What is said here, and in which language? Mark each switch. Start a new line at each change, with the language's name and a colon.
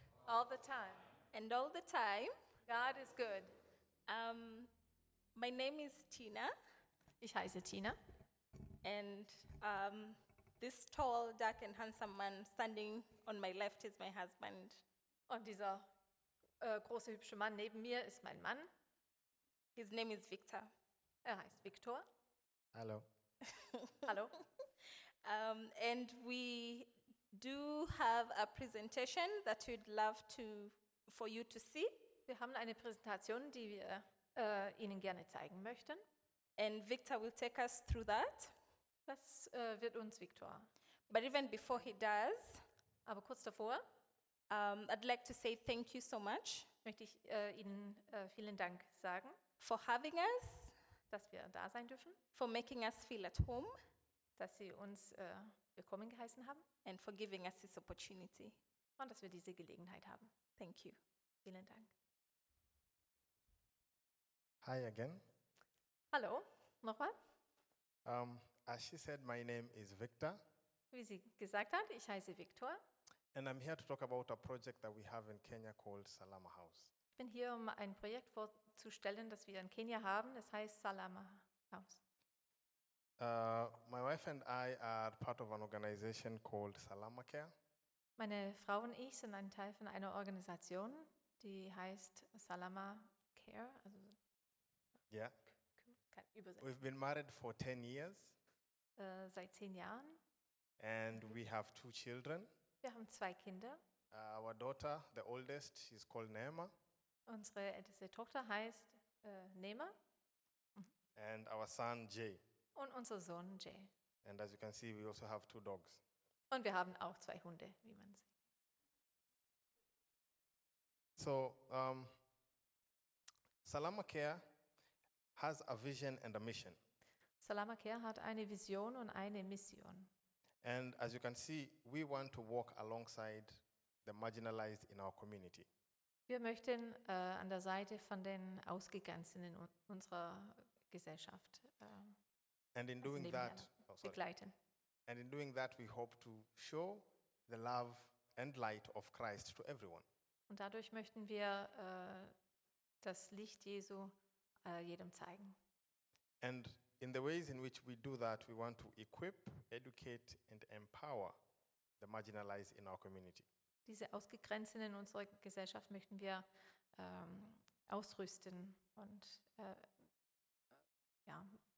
English: all the time, and all the time, God is good. My name is Tina.
German: Ich heiße Tina.
English: And this tall, dark, and handsome man standing on my left is my husband.
German: Und dieser große, hübsche Mann neben mir ist mein Mann.
English: His name is Victor.
German: Er heißt Victor. Hallo. Hallo.
English: And we do have a presentation that we'd love to for you to see.
German: Wir haben eine Präsentation, die wir Ihnen gerne zeigen möchten.
English: And Victor will take us through that.
German: Das wird uns Victor.
English: But even before he does,
German: aber kurz davor,
English: I'd like to say thank you so much.
German: Möchte ich Ihnen vielen Dank sagen
English: for having us.
German: Dass wir da sein dürfen.
English: For making us feel at home.
German: Dass sie uns willkommen geheißen haben.
English: And for giving us this opportunity.
German: Und dass wir diese Gelegenheit haben.
English: Thank you.
German: Vielen Dank.
English: Hi again.
German: Hallo. Nochmal.
English: As she said, my name is Victor.
German: Wie sie gesagt hat, ich heiße Victor.
English: And I'm here to talk about a project that we have in Kenya called Salama House.
German: Ich bin hier, um ein Projekt vorzustellen, das wir in Kenia haben. Es heißt Salama House.
English: My wife and I are part of an organization called Salama Care.
German: Meine Frau und ich sind ein Teil von einer Organisation, die heißt Salama Care. Also
English: Übersetzung. We've been married for 10 years.
German: Seit 10 Jahren.
English: And we have 2 children.
German: Wir haben 2 Kinder.
English: Our daughter, the oldest, is called Nema.
German: Unsere älteste Tochter heißt Nema.
English: And our son Jay.
German: Und unser Sohn Jay.
English: And as you can see, we also have 2 dogs.
German: Und wir haben auch 2 Hunde, wie man sieht.
English: So, Salama Care has a vision and a mission.
German: Salama Care hat eine Vision und eine Mission.
English: And as you can see, we want to walk alongside the marginalized in our community.
German: Wir möchten an der Seite von den Ausgegrenzten in unserer Gesellschaft begleiten.
English: And in doing that, we hope to show the love and light of Christ to everyone.
German: Und dadurch möchten wir das Licht Jesu jedem zeigen.
English: And in the ways in which we do that, we want to equip, educate and empower the marginalized in our community.
German: Diese Ausgegrenzten in unserer Gesellschaft möchten wir ausrüsten und helfen.